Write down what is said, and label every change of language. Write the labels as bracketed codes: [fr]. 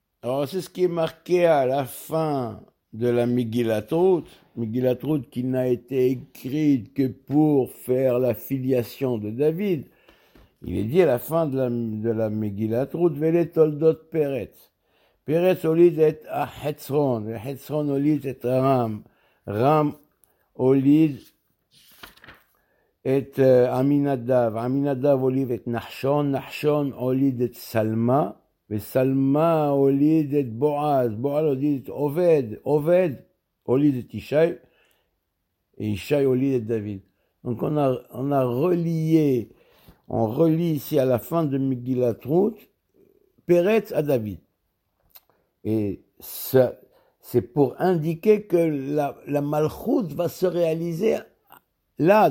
[fr] Alors c'est ce qui est marqué à la fin de la Megillat Ruth qui n'a été écrite que pour faire la filiation de David. Il est dit à la fin de la Megillat Ruth, [he] Vele toldot Peretz. Peretz olid et à Hetzron. Hetzron olid et à Ram. Ram olid את עמינדב, עמינדב הוליד את נחשון, נחשון הוליד את סלמה, וסלמה הוליד את בועז, בועז הוליד את עובד, עובד הוליד את ישי, ישי הוליד את דוד. [fr] Donc on a relié, on relie ici à la fin de Megillat Ruth, Peretz à David. Et ça, c'est pour indiquer que la Malchut va se réaliser là.